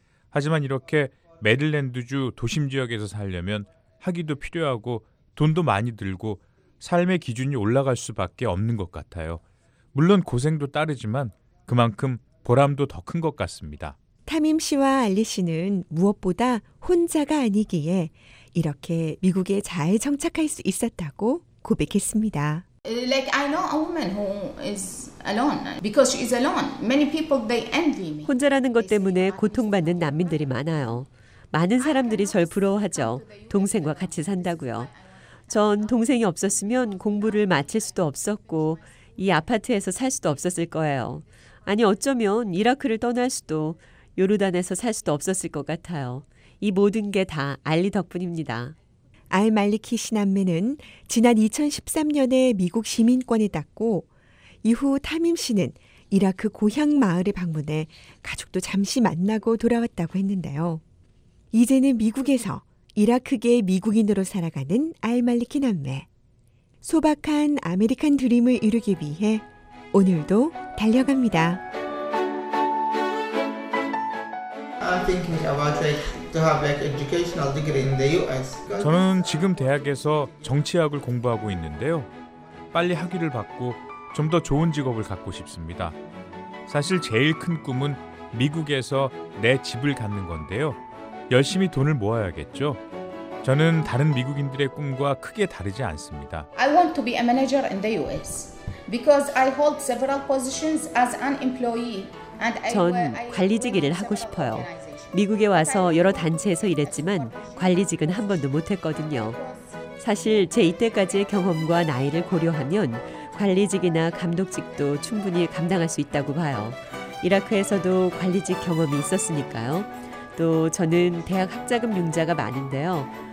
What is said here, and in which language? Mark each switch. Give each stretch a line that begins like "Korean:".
Korean: 하지만 이렇게 메릴랜드주 도심 지역에서 살려면 학위도 필요하고 돈도 많이 들고 삶의 기준이 올라갈 수밖에 없는 것 같아요. 물론 고생도 따르지만 그만큼 보람도 더 큰 것 같습니다. 타밈 씨와 알리 씨는 무엇보다 혼자가 아니기에 이렇게 미국에 잘 정착할 수 있었다고 고백했습니다.
English: Like I know a woman who is alone because she is alone. Many people they envy me.
Korean: 혼자라는 것 때문에 고통받는 난민들이 많아요. 많은 사람들이 절 부러워하죠. 동생과 같이 산다고요. 전 동생이 없었으면 공부를 마칠 수도 없었고 이 아파트에서 살 수도 없었을 거예요. 아니 어쩌면 이라크를 떠날 수도 요르단에서 살 수도 없었을 것 같아요. 이 모든 게 다 알리 덕분입니다. 알 말리키 신남매는 지난 2013년에 미국 시민권을 땄고 이후 타밈 씨는 이라크 고향 마을에 방문해 가족도 잠시 만나고 돌아왔다고 했는데요. 이제는 미국에서 이라크계 미국인으로 살아가는 알 말리키 남매. 소박한 아메리칸 드림을 이루기 위해 오늘도 달려갑니다.
English: I'm thinking about like to have like educational degree in the US.
Korean: 저는 지금 대학에서 정치학을 공부하고 있는데요. 빨리 학위를 받고 좀 더 좋은 직업을 갖고 싶습니다. 사실 제일 큰 꿈은 미국에서 내 집을 갖는 건데요. 열심히 돈을 모아야겠죠. 저는 다른 미국인들의 꿈과 크게 다르지 않습니다.
English: I want to be a manager in the US because I hold several positions as an employee and
Korean: 전 관리직 일을 하고 싶어요. 미국에 와서 여러 단체에서 일했지만 관리직은 한 번도 못 했거든요. 사실 제 이때까지의 경험과 나이를 고려하면 관리직이나 감독직도 충분히 감당할 수 있다고 봐요. 이라크에서도 관리직 경험이 있었으니까요. 또 저는 대학 학자금 융자가 많은데요.